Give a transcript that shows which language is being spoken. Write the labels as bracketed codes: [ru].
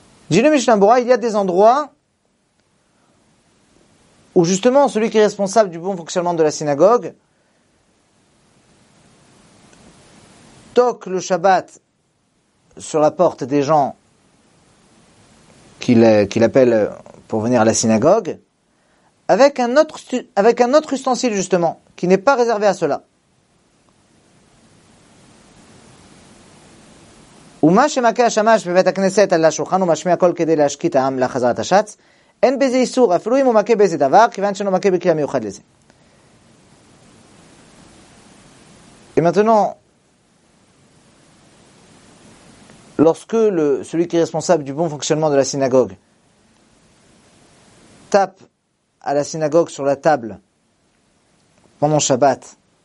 [fr] Dit le Mishnah Berurah, il y a des endroits où justement celui qui est responsable du bon fonctionnement de la synagogue toque le Shabbat sur la porte des gens qu'il appelle pour venir à la synagogue avec un autre ustensile justement qui n'est pas réservé à cela. [he] ומה שמכה השמש בבית הכנסת על השולחן ומשמיע קול כדי להשקיט העם לחזרת השץ, אין בזה איסור, אפילו אם הוא מכה באיזה דבר, כיוון שאינו מכה בכלי המיוחד לזה. [fr] Et maintenant, lorsque celui qui est responsable du bon fonctionnement de la synagogue tape à la synagogue sur la table pendant Shabbat,